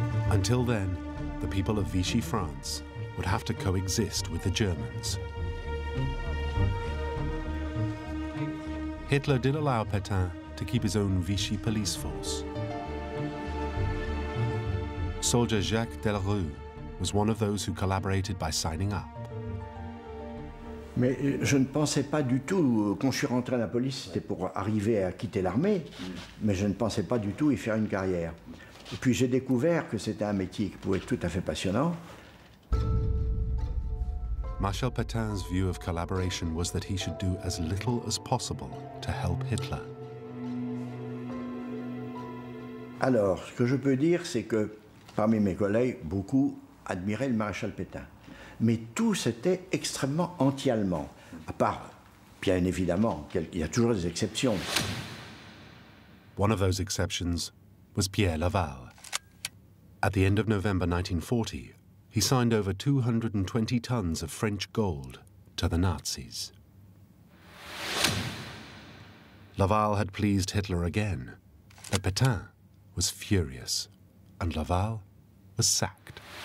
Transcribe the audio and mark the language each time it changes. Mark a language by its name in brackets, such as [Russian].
[English] Until then, the people of Vichy France would have to coexist with the Germans. Hitler did allow Pétain to keep his own Vichy police force. Soldier Jacques Delarue was one of those who collaborated by signing up. [French] Mais je ne pensais pas du tout, quand je suis rentré à la police, c'était pour arriver à quitter l'armée, mais je ne pensais pas du tout y faire une carrière. Et puis j'ai découvert que c'était un métier qui pouvait être tout à fait passionnant. [English] Marshal Pétain's view of collaboration was that he should do as little as possible to help Hitler. [French] Alors, ce que je peux dire, c'est que parmi mes collègues, beaucoup admiraient le maréchal Pétain. Mais tous étaient extrêmement anti-allemands, à part, bien évidemment, il y a toujours des exceptions. [English] One of those exceptions was Pierre Laval. At the end of November 1940, he signed over 220 tons of French gold to the Nazis. Laval had pleased Hitler again, but Pétain was furious, and Laval was sacked.